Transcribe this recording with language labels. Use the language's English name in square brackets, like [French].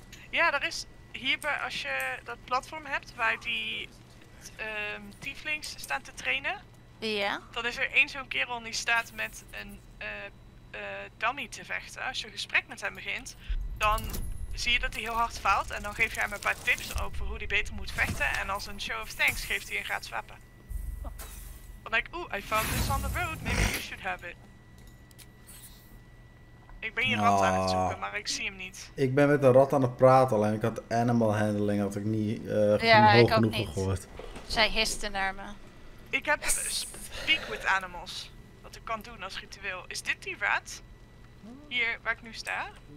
[Dutch] Ja, er is hierbij, als je dat platform hebt waar die tieflings staan te trainen. Ja. Dan is er één zo'n kerel die staat met een dummy te vechten. Als je een gesprek met hem begint, dan zie je dat hij heel hard faalt. En dan geef je hem een paar tips over hoe hij beter moet vechten. En als een [English] show of thanks [Dutch] geeft hij een gratis wapen. [English] Like, ooh, I found this on the road, maybe you should have it. [Dutch] Ik ben hier rat aan het zoeken, maar ik zie hem niet. Ik ben met een rat aan het praten, alleen ik had animal handling, had ik niet hoog genoeg gehoord. Zij histen naar me. Ik heb speak with animals, wat ik kan doen als ritueel. Is dit die rat? Hier, waar ik nu sta?